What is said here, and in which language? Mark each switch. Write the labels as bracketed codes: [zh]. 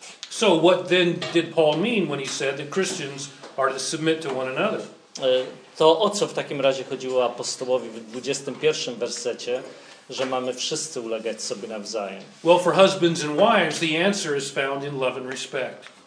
[en] So what then did Paul mean when he said that Christians are to submit to one another? [pl] To o co w takim razie chodziło apostołowi w 21 wersecie, że mamy wszyscy ulegać sobie nawzajem? [en] Well, for husbands and wives, the answer is found in love and respect.